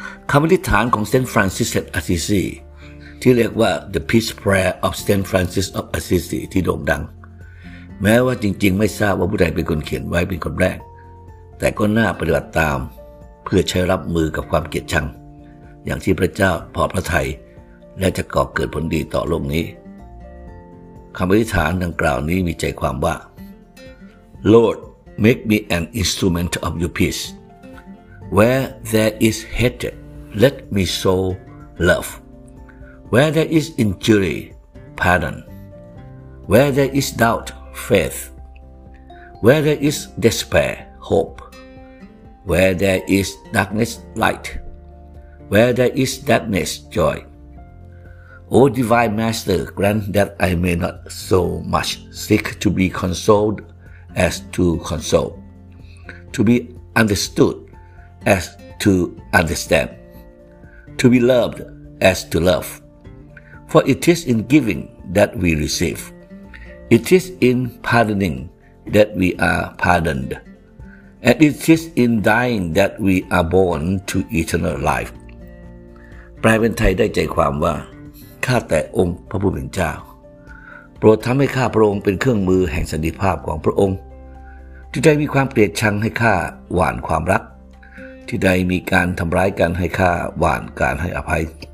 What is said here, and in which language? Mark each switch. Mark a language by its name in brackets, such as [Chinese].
[Thai] คำอธิษฐานของเซนต์ฟรานซิสอัสซิซีที่เรียกว่า The Peace Prayer of Saint Francis of Assisi ที่โด่งดังแม้ว่าจริงๆไม่ทราบว่าผู้ใดเป็นคนเขียนไว้เป็นคนแรกแต่ก็น่าปฏิบัติตามเพื่อใช้รับมือกับความเกลียดชังอย่างที่พระเจ้าพอพระทัยและจะก่อเกิดผลดีต่อโลกนี้คำอธิษฐานดังกล่าวนี้มีใจความว่า LordMake me an instrument of your peace. [English] Where there is hatred, let me sow love. Where there is injury, pardon. Where there is doubt, faith. Where there is despair, hope. Where there is darkness, light. Where there is deadness, joy. O Divine Master, grant that I may not so much seek to be consoledas to console, to be understood as to understand, to be loved as to love. For it is in giving that we receive. It is in pardoning that we are pardoned. And it is in dying that we are born to eternal life. [Thai] แปลเป็นไทยได้ใจความว่าข้าแต่องค์พระผู้เป็นเจ้าโปรดทำให้ข้าพระองค์เป็นเครื่องมือแห่งสันติภาพของพระองค์ที่ใดมีความเกลียดชังให้ข้าหว่านความรักที่ใดมีการทำร้ายกันให้ข้าหว่านการให้อภัย